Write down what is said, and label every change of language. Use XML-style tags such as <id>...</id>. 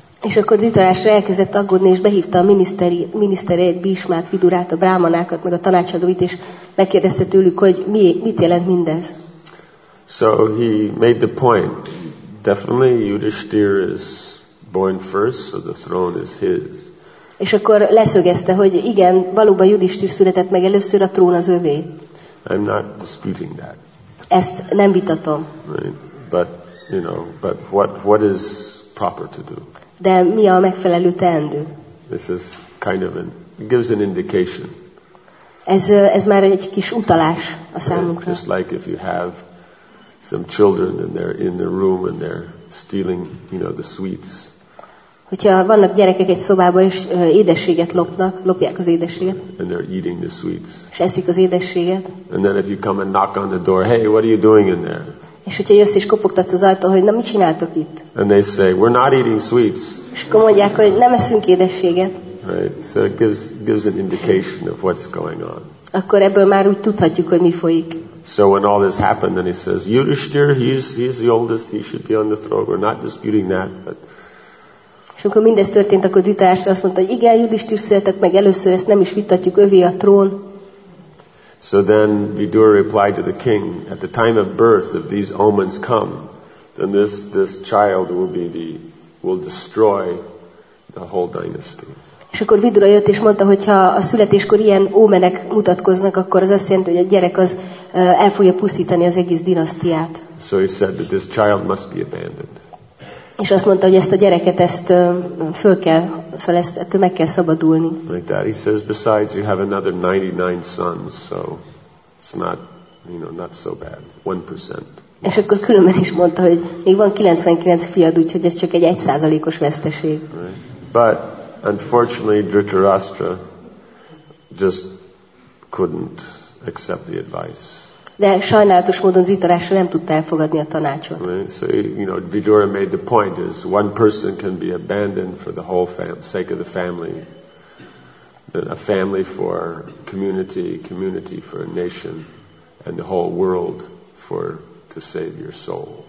<hu>És akkor Dhritarashtra elkezdett aggódni, és behívta a minisztereit, Bhishmát, Vidurát, a brámanákat, meg a tanácsadóit, és megkérdezte tőlük, hogy mit jelent mindez.</hu> <en>So he made the point. Definitely Yudhishthir is born first, so the throne is his.</en> <hu>És akkor leszögezte, hogy igen, valóban Yudhishthir született meg először, a trón az övé.</hu> <en>I'm not disputing that.</en> <hu>Ezt nem vitatom.</hu> <en>Right. But, you know, but what is proper to do?</en> <hu>De mi a megfelelő teendő?</hu> <en>This is kind of gives an indication.</en> <hu>Ez már egy kis utalás a számunkra.</hu> <en>Just like if you have some children and they're in the room and they're stealing, you know, the sweets.</en> <hu>Hogyha vannak gyerekek egy szobában és édességet lopnak, lopják az édességet.</hu> <en>And they're eating the sweets.</en> <hu>És eszik az édességet.</hu> <en>And then if you come and knock on the door, hey, what are you doing in there?</en> <hu>És hogyha jössz és kopogtatsz az ajtól, hogy na, mit csináltok itt?</hu> <en>And they say, we're not eating sweets.</en> <hu>És akkor mondják, hogy nem eszünk édességet.</hu> <en>Right, so it gives an indication of what's going on.</en> <hu>Akkor ebből már úgy tudhatjuk, hogy mi folyik.</hu> <en>So when all this happened, then he says, Yudhishthir, he's the oldest, he should be on the throne. We're not disputing that, but...</en> <hu>És amikor mindez történt, akkor Dhritarashtra azt mondta, hogy igen, Yudhishthir született meg először, ezt nem is vitatjuk, övé a trón.</hu> <en>So then Vidura replied to the king, at the time of birth, if these omens come, then this child will destroy the whole dynasty.</en> <hu>És akkor Vidura jött és mondta, hogy ha a születéskor ilyen ómenek mutatkoznak, akkor az azt jelenti, hogy a gyerek az el fogja pusztítani az egész dinasztiát.</hu> <en>So he said that this child must be abandoned.</en> <hu>És azt mondta, hogy ezt a gyereket ezt föl kell, szóval ezt meg kell szabadulni.</hu> <en>Like that. He says, besides, you have another 99 sons, so it's not, you know, not so bad. 1%.</en> <hu>És akkor különben is mondta, hogy még van 99 fiad, úgyhogy ez csak egy 1%-os veszteség.</hu> <en>Right. But unfortunately, Dhritarashtra just couldn't accept the advice.</en> <hu>De sajnálatos módon Dhritarashtra nem tudta elfogadni a tanácsot.</hu> <en>Right. So, you know, Vidura made the point is one person can be abandoned for the whole sake of the family. A family for community, community for a nation, and the whole world for to save your soul.</en>